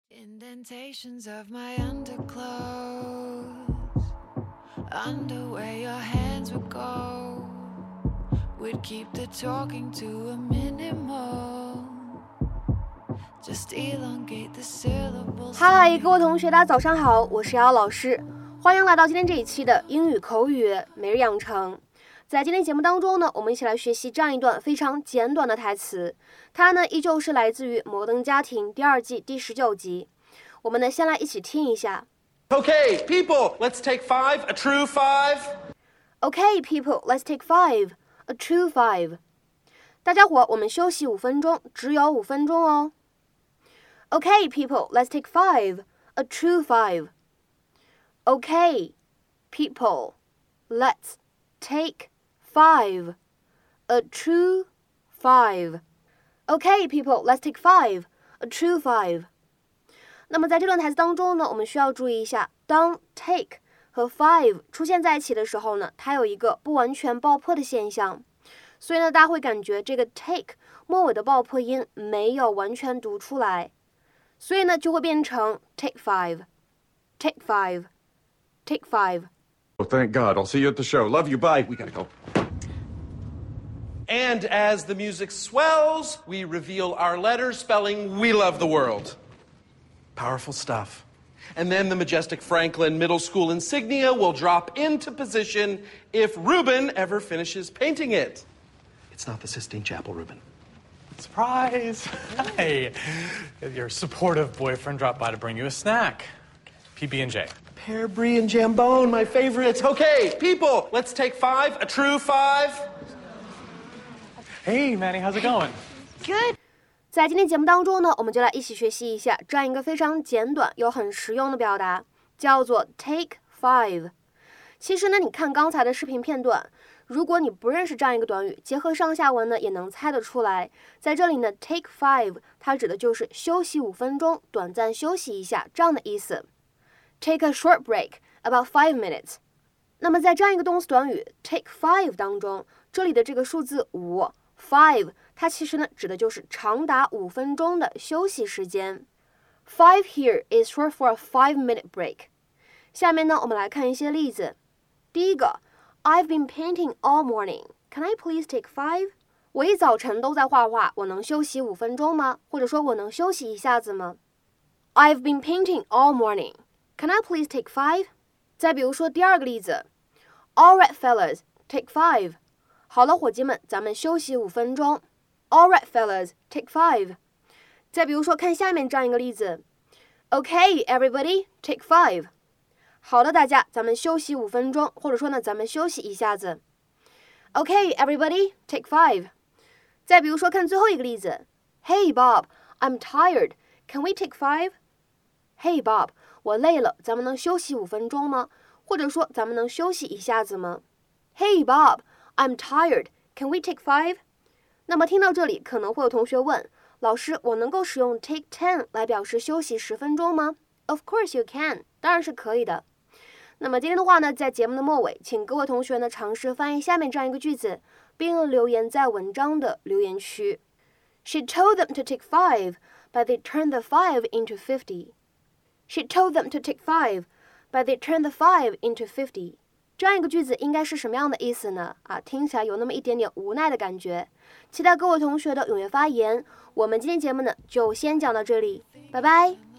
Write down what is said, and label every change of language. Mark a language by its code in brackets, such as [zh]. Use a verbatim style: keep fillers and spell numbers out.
[en] Indentations of my underclothes, under where your hands would go, would keep the talking to a minimal, just elongate the syllables. [zh] 嗨，各位同学，大家早上好，我是瑶瑶老师，欢迎来到今天这一期的英语口语每日养成。在今天节目当中呢，我们一起来学习这样一段非常简短的台词，它呢依旧是来自于《摩登家庭》第二季第十九集。我们呢先来一起听一下。 [en] Okay, people, let's take five, a true five. Okay, people, let's take five, a true five. [zh] 大家伙，我们休息五分钟，只有五分钟哦。 [en] Okay, people, let's take five, a true five. Okay, people, let's take. Five, a true five. Okay, people, let's take five, a true five. [zh] 那么在这段台词当中呢，我们需要注意一下，当 take 和 five 出现在一起的时候呢，它有一个不完全爆破的现象，所以呢，大家会感觉这个 take 末尾的爆破音没有完全读出来，所以呢，就会变成 [en] take five, take five, take five. Oh, thank God. I'll see you at the show. Love you. Bye. We gotta go. And as the music swells, we reveal our letters spelling We Love the World. Powerful stuff. And then the majestic Franklin Middle School insignia will drop into position if Reuben ever finishes painting it. It's not the Sistine Chapel, Reuben. Surprise. Hey, your supportive boyfriend dropped by to bring you a snack. P B and J. Pear, brie, and jambone, my favorites. Okay, people, let's take five, a true five. Hey, Manny, how's it going? Good. [zh] 在今天节目当中呢，我们就来一起学习一下这样一个非常简短又很实用的表达，叫做 take five。其实呢，你看刚才的视频片段，如果你不认识这样一个短语，结合上下文呢，也能猜得出来。在这里呢 ，take five 它指的就是休息五分钟，短暂休息一下这样的意思。 [en] Take a short break, about five minutes. [zh] 那么在这样一个动词短语 take five 当中，这里的这个数字五 five 它其实呢指的就是长达五分钟的休息时间。 [en] Five here is short for a five-minute break. [zh] 下面呢，我们来看一些例子。第一个 [en] ，I've been painting all morning. Can I please take five? [zh] 我一早晨都在画画，我能休息五分钟吗？或者说，我能休息一下子吗 ？ [en] I've been painting all morning. Can I please take five? [zh] 再比如说第二个例子 [en] All right, fellas, take five. [zh] 好了，伙计们，咱们休息五分钟。 [en] All right, fellas, take five. [zh] 再比如说看下面这样一个例子 [en] Okay, everybody, take five. [zh] 好了，大家，咱们休息五分钟，或者说呢，咱们休息一下子。 [en] Okay, everybody, take five. [zh] 再比如说看最后一个例子 [en] Hey, Bob, I'm tired. Can we take five? Hey, Bob. [zh] 我累了，咱们能休息五分钟吗？或者说，咱们能休息一下子吗 ？ [en] Hey Bob, I'm tired. Can we take five? [zh] 那么听到这里，可能会有同学问，老师，我能够使用 take ten 来表示休息十分钟吗 ？ [en] Of course you can， [zh] 当然是可以的。那么今天的话呢，在节目的末尾，请各位同学呢尝试翻译下面这样一个句子，并留言在文章的留言区。 [en] She told them to take five, but they turned the five into fifty. She told them to take five, but they turned the five into fifty. [zh] 这样一个句子应该是什么样的意思呢？啊，听起来有那么一点点无奈的感觉。期待各位同学的踊跃发言。我们今天节目呢，就先讲到这里，拜拜。